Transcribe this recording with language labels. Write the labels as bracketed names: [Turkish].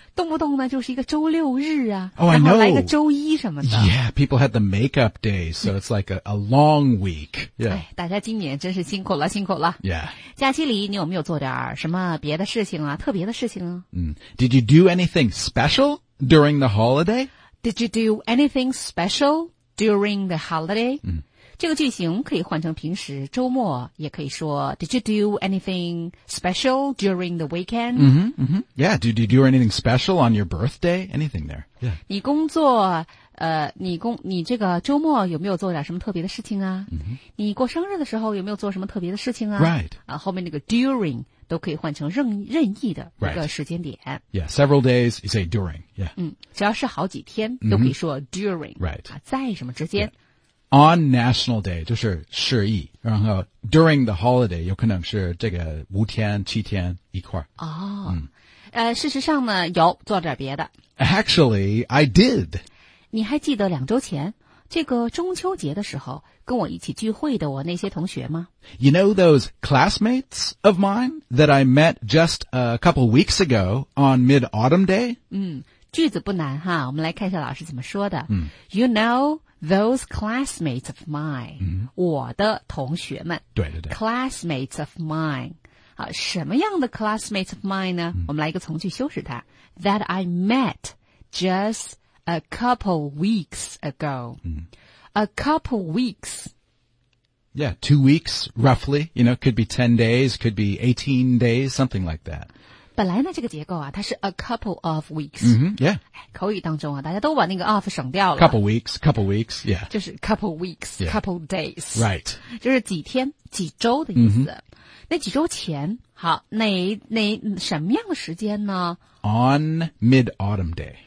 [Chinese] 动不动呢，就是一个周六日啊。 [English] Oh, I know. [Chinese] 然后来个周一什么的。 [English] Yeah, people had the makeup days, so it's like a long week. Yeah. [Chinese] 哎，大家今年真是辛苦了，辛苦了。 [English] Yeah. [Chinese] 假期里你有没有做点什么别的事情啊，特别的事情啊？ [English] Did you do anything special during the holiday? Did you do anything special during the holiday? [Chinese] 这个句型可以换成平时周末，也可以说 [English] Did you do anything special during the weekend? Yeah, did you do anything special on your birthday? Anything there? Yeah. [Chinese] 你工作，你这个周末有没有做点什么特别的事情啊？你过生日的时候有没有做什么特别的事情啊 [English] ？Right. [Chinese] 啊，后面那个 during 都可以换成任意的一个时间点。 [English] Right. Yeah, several days is a during. Yeah. [Chinese] 只要是好几天都可以说 during. [English] Right. [Chinese] 啊，在什么之间？ [English] Yeah. On National Day, [Chinese] 就是十一，然后 [English] during the holiday, [Chinese] 有可能是这个五天、七天一块。事实上呢，有做点别的。 [English] Actually, I did. [Chinese] 你还记得两周前，这个中秋节的时候，跟我一起聚会的我那些同学吗？ [English] You know those classmates of mine that I met just a couple weeks ago on Mid-Autumn Day? [Chinese] 句子不难哈，我们来看一下老师怎么说的。 [English] You know... Those classmates of mine, [Chinese] 我的同学们。对对对。 [English] Classmates of mine. [Chinese] 好，什么样的 [English] classmates of mine 呢？ [Chinese] 我们来一个从句修饰它。 [English] That I met just a couple weeks ago. A couple weeks. Yeah, 2 weeks, roughly. You know, could be 10 days, could be 18 days, something like that. [Chinese] 本来呢这个结构啊它是 a couple of weeks、 [English] yeah. [Chinese] 口语当中啊大家都把那个 of 省掉了 [English] couple weeks、yeah. [Chinese] 就是 couple weeks、 [English] yeah. couple days、 right. [Chinese] 就是几天几周的意思、那几周前好那什么样的时间呢 [English] on mid-autumn day